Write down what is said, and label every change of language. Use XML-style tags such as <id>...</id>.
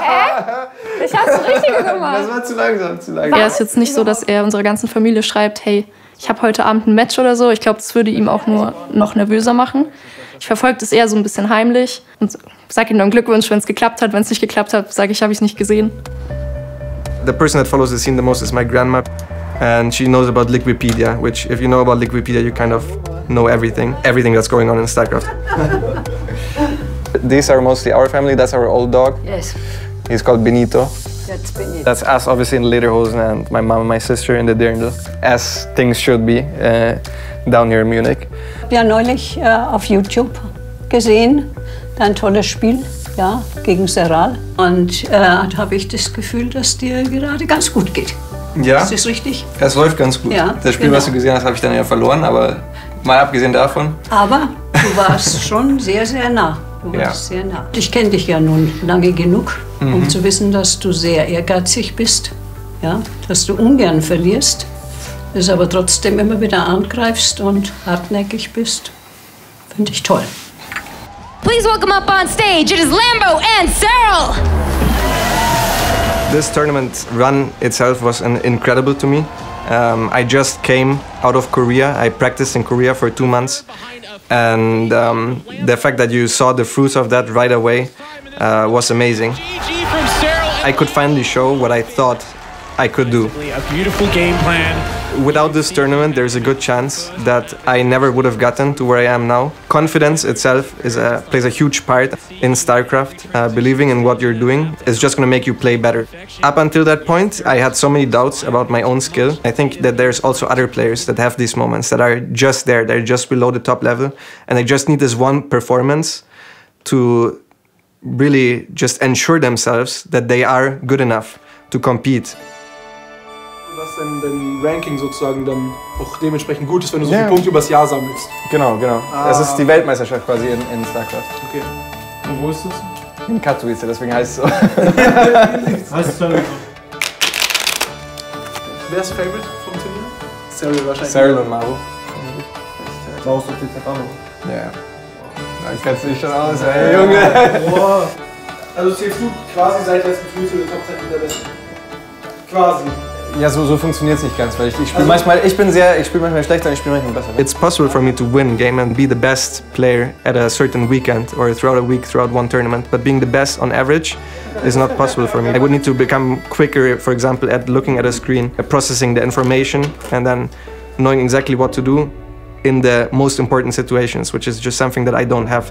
<de>Hä? Ich hab's richtig gemacht. Das war zu langsam. Er ist jetzt nicht so, dass er unserer ganzen Familie schreibt, hey, ich habe heute Abend ein Match oder so. Ich glaube, das würde ihm auch nur noch nervöser machen. Ich verfolge das eher so ein bisschen heimlich und sage ihm dann Glückwunsch, wenn es geklappt hat. Wenn es nicht geklappt hat, sage ich, habe ich es nicht gesehen.</de> <en>The person that follows the scene the most is my grandma. And she knows about Liquipedia, which if you know about Liquipedia, you kind of know everything. Everything that's going on in StarCraft. These are mostly our family. That's our old dog. Yes. He's called Benito. That's Benito. That's us, obviously, in the Lederhosen, and my mom and my sister in the Dirndl, as things should be down here in Munich.</en> <de>Ich habe ja neulich auf YouTube gesehen, dein tolles Spiel, ja, gegen Serral. Und da habe ich das Gefühl, dass dir gerade ganz gut geht. Ja. Ist das richtig? Es läuft ganz gut. Ja, das Spiel, genau, was du gesehen hast, habe ich dann ja verloren, aber mal abgesehen davon. Aber du warst schon sehr, sehr nah. Du warst sehr nah. Ich kenne dich ja nun lange genug, um zu wissen, dass du sehr ehrgeizig bist, ja? Dass du ungern verlierst, es aber trotzdem immer wieder angreifst und hartnäckig bist. Finde ich toll.</de> <en>Please welcome up on stage, it is Lambo and Cyril! This tournament run itself was incredible to me. I just came out of Korea. I practiced in Korea for 2 months. And the fact that you saw the fruits of that right away was amazing. I could finally show what I thought I could do. A beautiful game plan. Without this tournament, there's a good chance that I never would have gotten to where I am now. Confidence itself plays a huge part in StarCraft. Believing in what you're doing is just going to make you play better. Up until that point, I had so many doubts about my own skill. I think that there's also other players that have these moments that are just there. They're just below the top level. And they just need this one performance to really just ensure themselves that they are good enough to compete.</en> <de>Dein Ranking sozusagen dann auch dementsprechend gut ist, wenn du so viele Punkte übers Jahr sammelst. Genau, genau. Ah. Das ist die Weltmeisterschaft quasi in StarCraft. Okay. Und wo ist das? In Katowice, deswegen heißt es so. Heißt es Cyril. Wer ist Favorite vom Turnier? Cyril wahrscheinlich. Cyril und Maru. Maru ist doch die Zerfahrung. Ja. Da kennst du dich schon aus, ey Junge. Boah. Also zählst du quasi seit der ersten Minute der Top 10 in der Besten. Quasi. Ja, so funktioniert es nicht ganz, weil ich spiele also manchmal, ich spiele manchmal schlechter und ich spiele manchmal besser.</de> <en>It's possible for me to win game and be the best player at a certain weekend or throughout a week, throughout one tournament, but being the best on average is not possible for me. I would need to become quicker, for example, at looking at a screen, processing the information and then knowing exactly what to do in the most important situations, which is just something that I don't have.</en>